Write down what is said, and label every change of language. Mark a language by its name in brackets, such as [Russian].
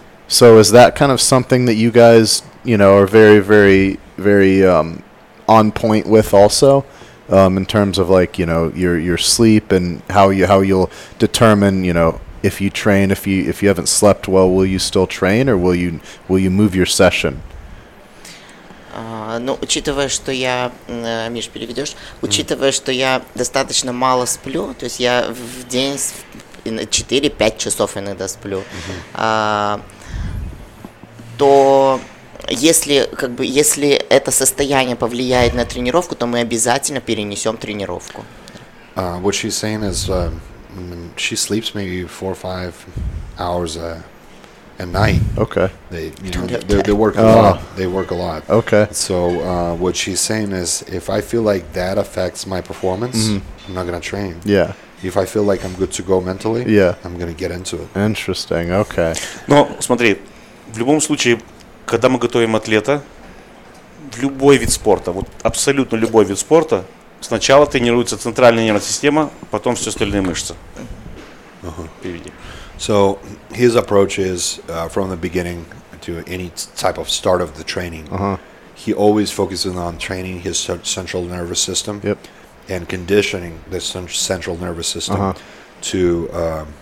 [English] So is that kind of something that you guys, you know, are very, very, very on point with also, in terms of like, you know, your sleep and how you'll determine, you know, if you train, if you haven't slept well, will you still train or will you move your session? [Russian] Ну, учитывая, что я, Миш, переведешь, учитывая, что я достаточно мало сплю, то есть я в день 4-5 часов иногда сплю, то если, как бы, если это состояние повлияет на тренировку, то мы обязательно перенесем тренировку. [English] What she's saying is, she sleeps maybe 4-5 hours a night. Okay. They work a lot. Okay. So what she's saying is, if I feel like that affects my performance, mm-hmm. I'm not gonna train. Yeah. If I feel like I'm good to go mentally, yeah, I'm gonna get into it. Interesting. Okay. [Russian] Но смотри, в любом случае, когда мы готовим атлета, в любой вид спорта, вот абсолютно любой вид спорта, сначала тренируется центральная нервная система, потом все остальные мышцы. Переведи. [English] So his approach is from the beginning to any type of start of the training, uh-huh. he always focuses on training his central nervous system, yep. and conditioning the central nervous system, uh-huh.